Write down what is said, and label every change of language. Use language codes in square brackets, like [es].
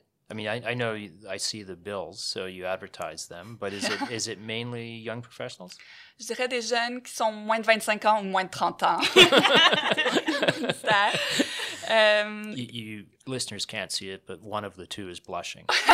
[en] I mean, I know I see the bills, so you advertise them, but is it mainly young professionals? [fr] Je dirais des jeunes qui sont moins de 25 ans ou moins de 30 ans. [en] You listeners can't see it, but one of the two is blushing.